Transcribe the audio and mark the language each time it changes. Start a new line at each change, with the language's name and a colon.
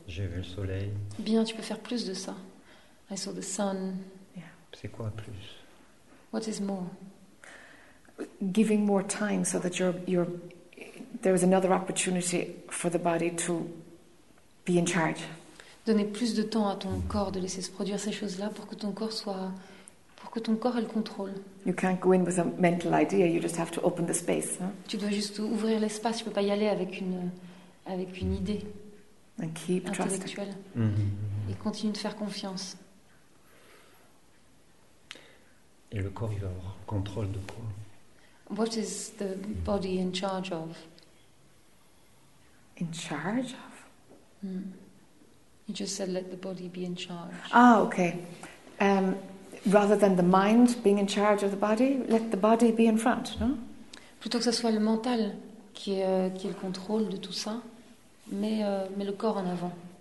French: J'ai vu le soleil. Bien, tu peux faire plus de ça.
English: I saw the sun. Yeah.
French: C'est quoi plus?
English: What is more? Giving more time so that there is another opportunity for the body to be in charge.
French: Donner plus de temps à ton corps, de laisser se produire ces choses-là pour que ton corps soit... Pour que ton corps ait le contrôle.
English: You can't go in with a mental idea. You just have to open the space. Huh?
French: Tu dois juste ouvrir l'espace. Tu peux pas y aller avec une idée.
English: And keep
French: intellectuelle. Mm-hmm. Et continue de faire confiance. Et le corps, il va avoir contrôle de quoi?
English: What is the body in charge of? In charge of? Mm. You just said let the body be in charge. Ah, okay. Rather than the mind being in charge of the body, let the body be in front, no?
French: Plutôt que ce soit le mental qui est le contrôle de tout ça, mais le corps en avant.